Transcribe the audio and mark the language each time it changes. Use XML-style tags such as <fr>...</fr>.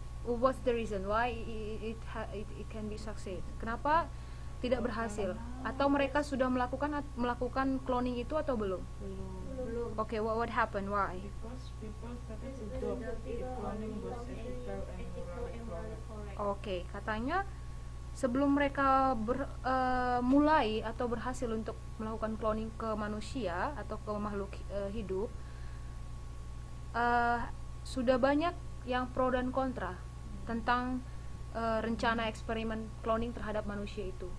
<en>What's the reason why it can be succeed?</en> <id>Kenapa tidak berhasil? Atau mereka sudah melakukan cloning itu atau belum? Belum.</id> <en>Okay, what happened? Why? Because people started to doubt if cloning was ethical and moral.</en> <id>Okay, katanya sebelum mereka mulai atau berhasil untuk melakukan cloning ke manusia atau ke makhluk hidup, sudah banyak yang pro dan kontra tentang rencana eksperimen cloning terhadap manusia itu.</id>